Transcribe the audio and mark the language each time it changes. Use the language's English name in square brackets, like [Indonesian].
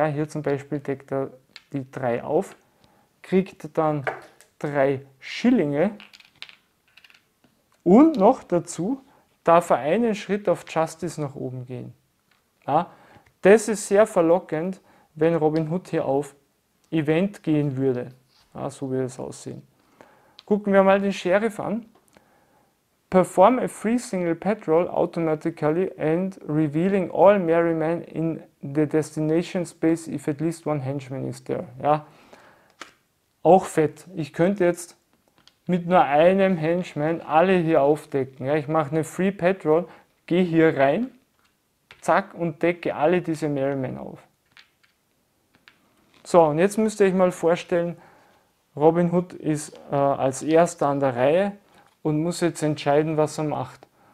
[German] Ja, hier zum Beispiel deckt er die drei auf, kriegt dann drei Schillinge und noch dazu darf er einen Schritt auf Justice nach oben gehen. Ja, das ist sehr verlockend, wenn Robin Hood hier auf Event gehen würde. Ja, so würde es aussehen. Gucken wir mal den Sheriff an. [English] Perform a free single patrol automatically and revealing all merry men in the destination space if at least one henchman is there. [German] Ja, auch fett. Ich könnte jetzt mit nur einem Henchman alle hier aufdecken. Ja, ich mache eine free patrol, gehe hier rein, zack, und decke alle diese merry men auf. So, und jetzt müsste ich mal vorstellen, Robin Hood ist als erster an der Reihe und muss jetzt entscheiden, was er macht.